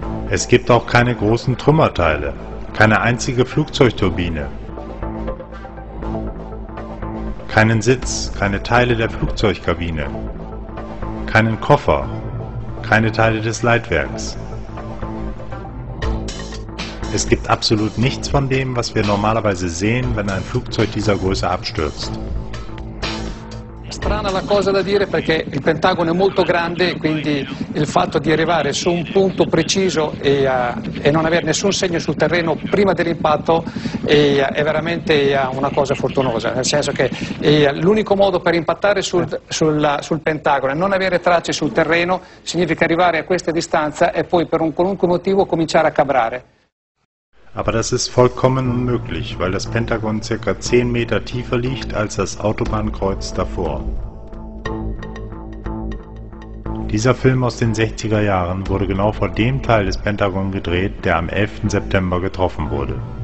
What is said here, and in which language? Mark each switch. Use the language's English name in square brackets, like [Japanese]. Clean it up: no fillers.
[German] Es gibt auch keine großen Trümmerteile, keine einzige Flugzeugturbine, keinen Sitz, keine Teile der Flugzeugkabine, keinen Koffer, keine Teile des Leitwerks. Es gibt absolut nichts von dem, was wir normalerweise sehen, wenn ein Flugzeug dieser Größe abstürzt. [Italian] Strana la cosa da dire perché il Pentagono è molto grande, quindi il fatto di arrivare su un punto preciso e non avere nessun segno sul terreno prima dell'impatto è veramente una cosa fortunosa, nel senso che l'unico modo per impattare sul Pentagono e non avere tracce sul terreno significa arrivare a questa distanza e poi per un qualunque motivo cominciare a cabrare. [German] Aber das ist vollkommen unmöglich, weil das Pentagon ca. 10 Meter tiefer liegt als das Autobahnkreuz davor. Dieser Film aus den 60er Jahren wurde genau vor dem Teil des Pentagon gedreht, der am 11. September getroffen wurde.